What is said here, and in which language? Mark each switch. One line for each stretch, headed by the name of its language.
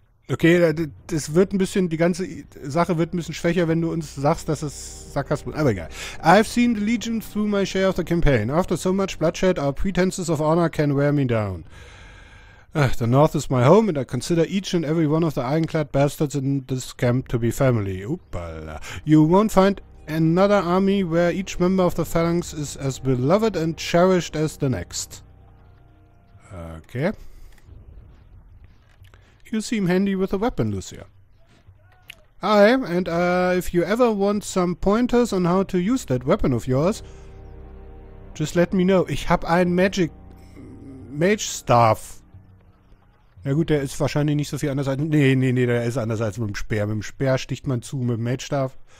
German: Okay, das wird ein bisschen, die ganze Sache wird ein bisschen schwächer, wenn du uns sagst, dass es Sarkasmus. Aber egal.
English: I've seen the Legion through my share of the campaign. After so much bloodshed, our pretenses of honor can wear me down. The North is my home and I consider each and every one of the ironclad bastards in this camp to be family. Oopala. You won't find another army where each member of the phalanx is as beloved and cherished as the next. Okay. You seem handy with a weapon, Lucia. Aye, and if you ever want some pointers on how to use that weapon of yours, just let me know.
German: Ich hab einen Magic Mage Staff. Na gut, der ist wahrscheinlich nicht so viel anders als... Nee, der ist anders als mit dem Speer. Mit dem Speer sticht man zu, mit dem Mage Staff.